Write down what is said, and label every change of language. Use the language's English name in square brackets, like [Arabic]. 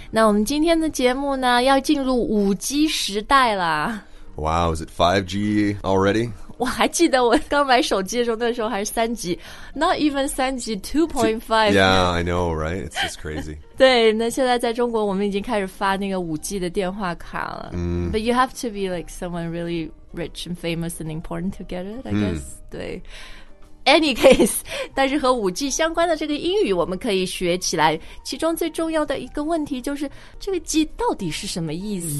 [Chinese] 那我们今天的节目呢，要进入 5G 时代了。 [English] Wow, is it 5G already? [Chinese] 我还记得我刚买手机的时候，那时候还是3G. [English] Not even 3G, 2.5. Yeah, I know, right? It's just crazy. [Chinese] 对，那现在在中国我们已经开始发那个 5G 的电话卡了。 [English] But you have to be like someone really rich and famous and important to get it, I guess. [Chinese] 对。 [English] Any case, [Chinese] 但是和 5G 相关的这个英语我们可以学起来。其中最重要的一个问题就是这个 G 到底是什么意思